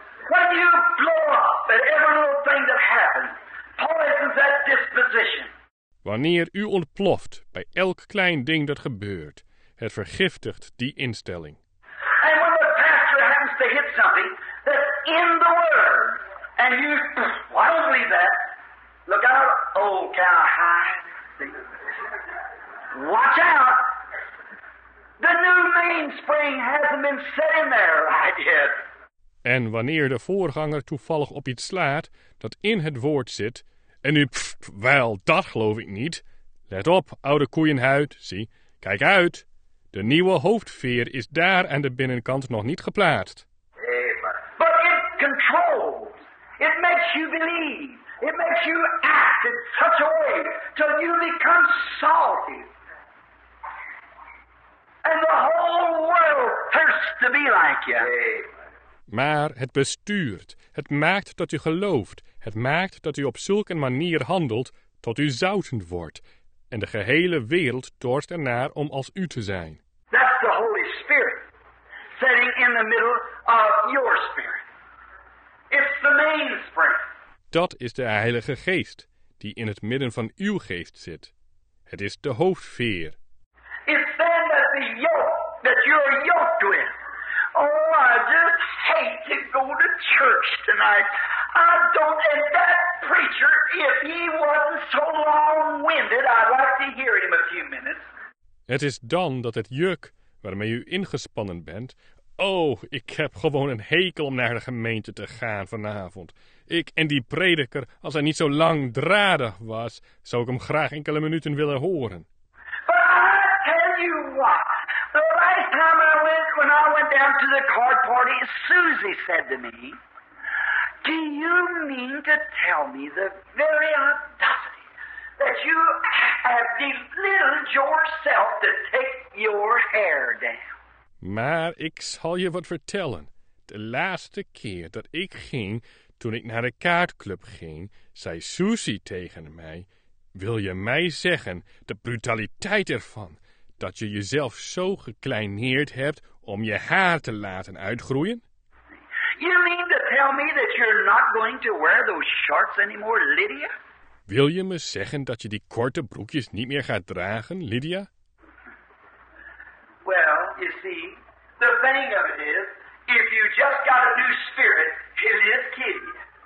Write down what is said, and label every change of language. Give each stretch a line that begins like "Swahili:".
English: that every little thing that happens poisons that disposition.
Dutch: Wanneer u ontploft bij elk klein ding dat gebeurt, het vergiftigt die instelling.
English: And when the pastor happens to hit something that's in the Word, and you, well, I don't believe that. Look out, old cow hide. Watch out. The new mainspring hasn't been set in there right yet.
Dutch: En wanneer de voorganger toevallig op iets slaat dat in het woord zit, en u, pfft, wel, dat geloof ik niet. Let op, oude koeienhuid, zie, kijk uit. De nieuwe hoofdveer is daar aan de binnenkant nog niet geplaatst.
English: But it controls. It makes you believe. It makes you act in such a way till you become salty. And the whole world thirsts to be like you.
Dutch: Maar het bestuurt, het maakt dat u gelooft, het maakt dat u op zulke manier handelt tot u zoutend wordt. En de gehele wereld dorst ernaar om als u te zijn.
English: That's the Holy Spirit sitting in the middle of your spirit. It's the mainspring.
Dutch: Dat is de Heilige Geest die in het midden van uw geest zit. Het is de hoofdveer.
English: It's then that the yoke that you're yoked with. Oh, I just hate to go to church tonight. I don't, and that preacher, if he wasn't so long-winded, I'd like to hear him a few minutes.
Dutch: Het is dan dat het juk waarmee u ingespannen bent. Oh, ik heb gewoon een hekel om naar de gemeente te gaan vanavond. Ik en die prediker, als hij niet zo langdradig was, zou ik hem graag enkele minuten willen horen.
English: But I tell you what. The last time I went, when I went down to the card party, Susie said to me, do you mean to tell me the very audacity that you have belittled yourself to take your hair down?
Dutch: Maar ik zal je wat vertellen. De laatste keer dat ik ging, toen ik naar de kaartclub ging, zei Susie tegen mij, wil je mij zeggen de brutaliteit ervan? Dat je jezelf zo gekleineerd hebt om je haar te laten uitgroeien?
English: You mean to tell me that you're not going to wear those shorts anymore, Lydia?
Dutch: Wil je me zeggen dat je die korte broekjes niet meer gaat dragen, Lydia?
English: Well, you see, the thing of it is, if you just got a new spirit, it is kidding.